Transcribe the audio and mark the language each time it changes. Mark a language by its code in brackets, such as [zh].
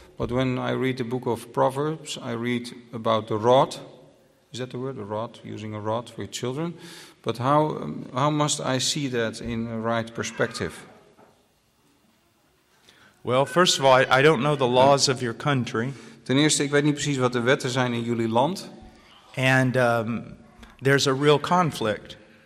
[en] But when I read the book of Proverbs, I read about the rod. Is that the word, the rod, using a rod for your children? But how must I see that in a right perspective? Well, first of all, I don't know the laws of your country. [nl] Ten eerste, ik weet niet precies wat de wetten zijn in jullie land. [en] And there's a real conflict.